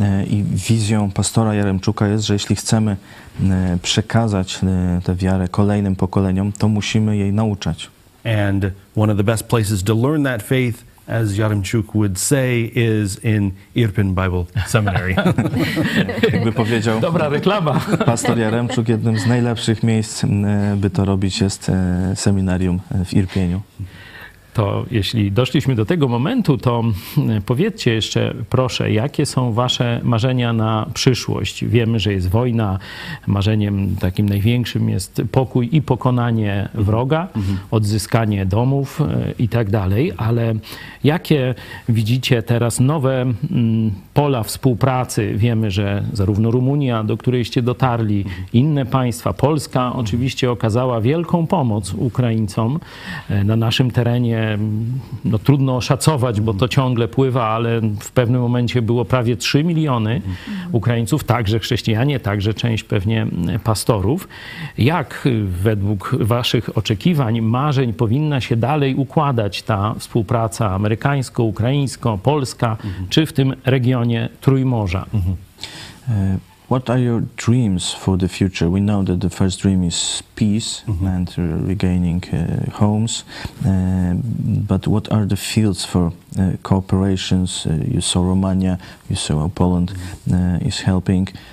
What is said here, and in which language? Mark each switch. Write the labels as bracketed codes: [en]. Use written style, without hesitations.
[pl] I wizją pastora Yaremchuka jest, że jeśli chcemy przekazać tę wiarę kolejnym pokoleniom, to musimy jej nauczać. [en] And one of the best places to learn that faith, as Yaremchuk would say, is in Irpin Bible Seminary. [pl] Jakby powiedział, dobra reklama. Pastor Yaremchuk, jednym z najlepszych miejsc, by to robić, jest seminarium w Irpieniu. To jeśli doszliśmy do tego momentu, to powiedzcie jeszcze, proszę, jakie są wasze marzenia na przyszłość? Wiemy, że jest wojna. Marzeniem takim największym jest pokój i pokonanie wroga, odzyskanie domów i tak dalej. Ale jakie widzicie teraz nowe pola współpracy? Wiemy, że zarówno Rumunia, do którejście dotarli, inne państwa, Polska oczywiście okazała wielką pomoc Ukraińcom na naszym terenie. No, trudno oszacować, bo to ciągle pływa, ale w pewnym momencie było prawie 3 miliony Ukraińców, także chrześcijanie, także część pewnie pastorów. Jak według waszych oczekiwań, marzeń powinna się dalej układać ta współpraca amerykańsko-ukraińsko-polska, czy w tym regionie Trójmorza? [en] What are your dreams for the future? We know that the first dream is peace and regaining homes. But what are the fields for cooperations? You saw Romania, you saw how Poland is helping.